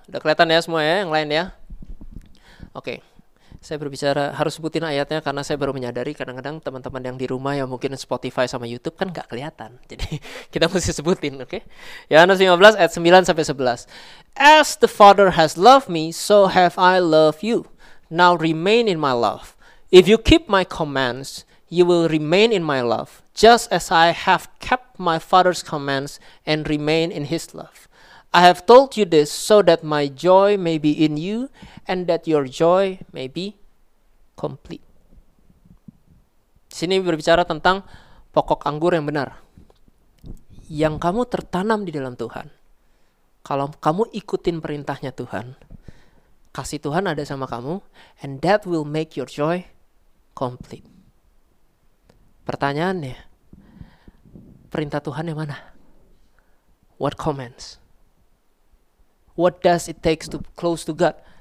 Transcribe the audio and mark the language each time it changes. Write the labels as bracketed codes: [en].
[id] Sudah kelihatan ya semua ya, yang lain ya. Oke. [en] Okay. [id] Saya berbicara harus sebutin ayatnya karena saya baru menyadari kadang-kadang teman-teman yang di rumah yang mungkin Spotify sama YouTube kan enggak kelihatan. Jadi kita mesti sebutin, oke? [en] Okay? [id] Yohanes 15 ayat 9 sampai 11. [en] As the Father has loved me, so have I loved you. Now remain in my love. If you keep my commands, you will remain in my love, just as I have kept my Father's commands and remain in his love. I have told you this so that my joy may be in you and that your joy may be complete. [id] Di sini berbicara tentang pokok anggur yang benar. Yang kamu tertanam di dalam Tuhan, kalau kamu ikutin perintahnya Tuhan, kasih Tuhan ada sama kamu, [en] and that will make your joy complete. [id] Pertanyaannya, perintah Tuhan yang mana? [en] What commands? What does it takes to close to God?